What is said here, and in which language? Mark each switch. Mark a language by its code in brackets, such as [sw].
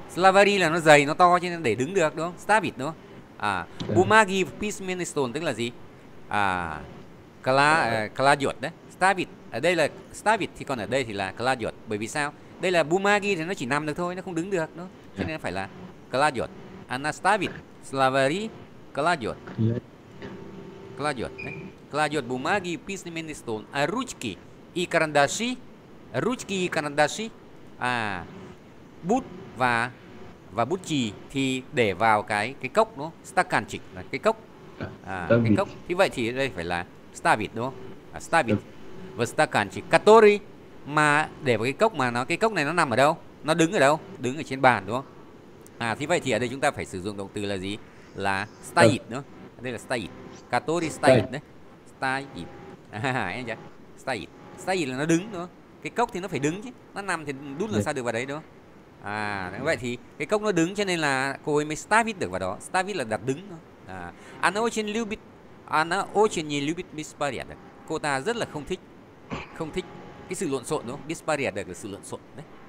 [vi] Словари là nó dày, nó to cho nên để đứng được, đúng không? Ставит, đúng không? À, [ru] бумаги в письменный стол [vi] tức là gì? À, кладёт đấy. Ставит. Ở đây là ставит thì còn ở đây thì là кладёт. Bởi vì sao? Đây là бумаги thì nó chỉ nằm được thôi, nó không đứng được, đúng không? Cho nên phải là кладёт. Она ставит словари, кладёт. Кладёт, đấy. [ru] Кладёт бумаги в письменный стол. А ручки и карандаши. Ручки и карандаши. [vi] À, bút và bút chì thì để vào cái cốc, đúng không? Стаканчик là cái cốc. À, cái cốc. Thì vậy thì đây phải là ставит, đúng không? À, ставит. Và стаканчик, который mà để vào cái cốc mà nó cái cốc này nó nằm ở đâu? Nó đứng ở đâu? Đứng ở trên bàn, đúng không? À, thì vậy thì ở đây chúng ta phải sử dụng động từ là gì? Là ставит, đúng không? Đây là ставит. Который ставит đấy. ставит. Em nhá. ставит. ставит là nó đứng, đúng không? Cái cốc thì nó phải đứng chứ. Nó nằm thì đút làm sao được vào đấy, đúng không? À, như vậy thì cái cốc nó đứng cho nên là cô ấy mới ставит được vào đó. ставит là đặt đứng, đúng không? [ru] À, она очень не любит беспорядок. [vi] Cô ta rất là không thích cái sự lộn xộn, đúng không? Беспорядок là sự lộn xộн đấy.